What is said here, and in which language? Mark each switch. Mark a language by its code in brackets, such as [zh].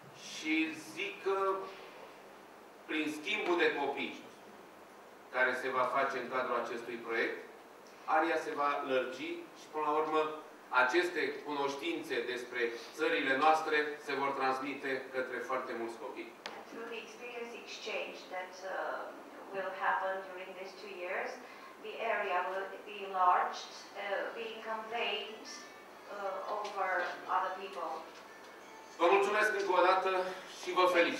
[ro] Și zic că prin schimbul de copii care se va face în cadrul acestui proiect, aria se va lărgi și până la urmă aceste cunoștințe despre țările noastre se vor transmite către foarte mulți copii. [en] Through the experience exchange that will happen during these 2 years, the area will be enlarged, being conveyed over other people. [ro] Vă mulțumesc încă o dată și vă felicit.